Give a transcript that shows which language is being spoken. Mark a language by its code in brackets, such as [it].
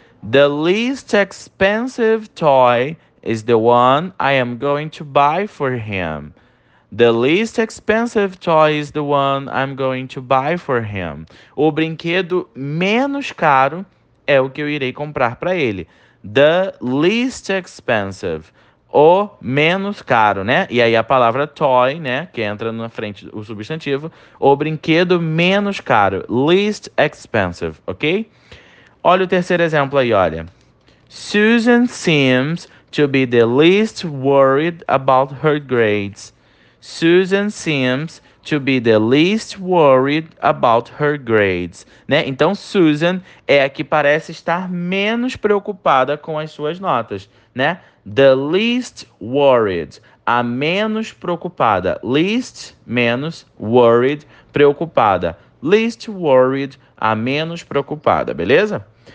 [en] The least expensive toy is the one I am going to buy for him. The least expensive toy is the one I'm going to buy for him. [pt] O brinquedo menos caro é o que eu irei comprar para ele. The least expensive. O menos caro, né? E aí a palavra toy, né? Que entra na frente o substantivo. O brinquedo menos caro. Least expensive, ok? Olha o terceiro exemplo aí, olha. [en] Susan seems to be the least worried about her grades. Susan seems to be the least worried about her grades, né? [pt] Então Susan é a que parece estar menos preocupada com as suas notas, né? The least worried, a menos preocupada. Least, menos, worried, preocupada. Least worried, a menos preocupada, beleza?